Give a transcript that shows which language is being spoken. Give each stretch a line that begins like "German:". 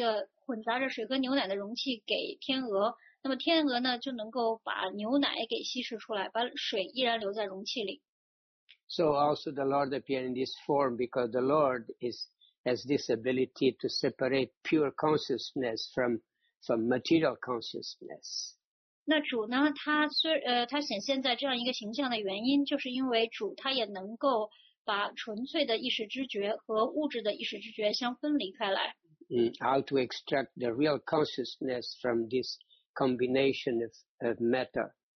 Chinese: 如果你要是用一个容器把水和牛奶放在一起，然后呢，把这个混杂着水和牛奶的容器给天鹅。那么天鹅呢，就能够把牛奶给稀释出来，把水依然留在容器里。
English: So also the Lord appeared in this form because the Lord has this ability to separate pure consciousness from material consciousness.
Chinese: 那主呢，他显现在这样一个形象的原因，就是因为主他也能够把纯粹的意识知觉和物质的意识知觉相分离开来。
English: How to extract the real consciousness from this combination of matter.